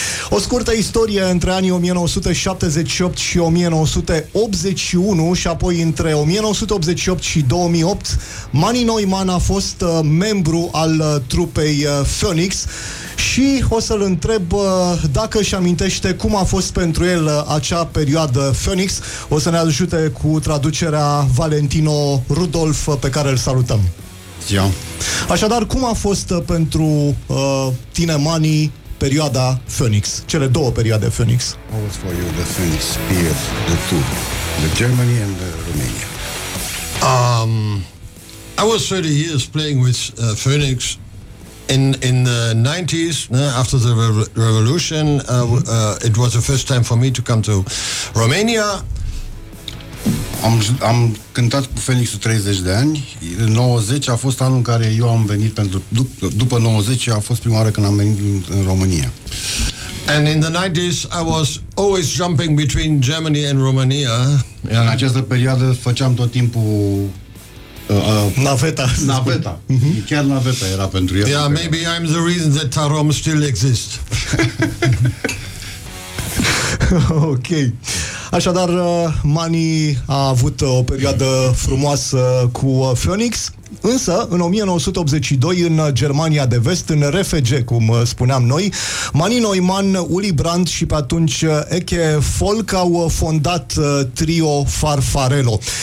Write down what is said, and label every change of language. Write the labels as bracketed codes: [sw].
[ro] O scurtă istorie între anii 1978 și 1981 și apoi între 1988 și 2008, Manny Neumann a fost membru al trupei Phoenix și o să-l întreb dacă își amintește cum a fost pentru el acea perioadă Phoenix. O să ne ajute cu traducerea Valentino Rudolf, pe care îl salutăm. Ziua. Așadar, cum a fost pentru tine, Manny, perioada Phoenix, cele două perioade Phoenix? [en] How was for you the Phoenix period, the two, the Germany and the Romania? I was 30 years playing with Phoenix in the 90s, after the revolution. It was the first time for me to come to Romania. [ro] Am cântat cu Phoenix 30 de ani. 90 a fost anul în care eu am venit, pentru după 90 a fost prima oară când am venit în România. [en] And in the 90s I was always jumping between Germany and Romania. Yeah. [ro] În această perioadă făceam tot timpul naveta. Mm-hmm. Chiar naveta era pentru el. [en] Yeah, maybe I'm the reason that Tarom still exists. Ok. [ro] Așadar, Manny a avut o perioadă frumoasă cu Phoenix, însă în 1982, în Germania de Vest, în RFG, cum spuneam noi, Manny Neumann, Uli Brandt și pe atunci Eke Folk au fondat trio Farfarello.